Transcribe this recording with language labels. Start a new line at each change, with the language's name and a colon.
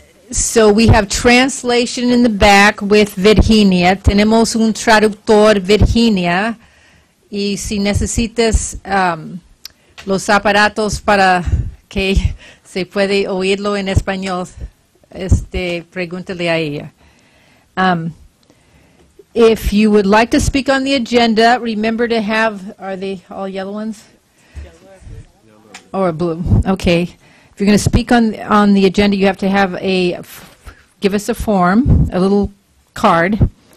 English: So we have translation in the back with Virginia.
Spanish: Tenemos un traductor, Virginia. Y si necesitas los aparatos para que se puede oírlo en español, pregúntale a ella.
English: If you would like to speak on the agenda, remember to have, are they all yellow ones? Yellow. Or blue. Okay. If you're going to speak on the agenda, you have to have a, give us a form, a little card.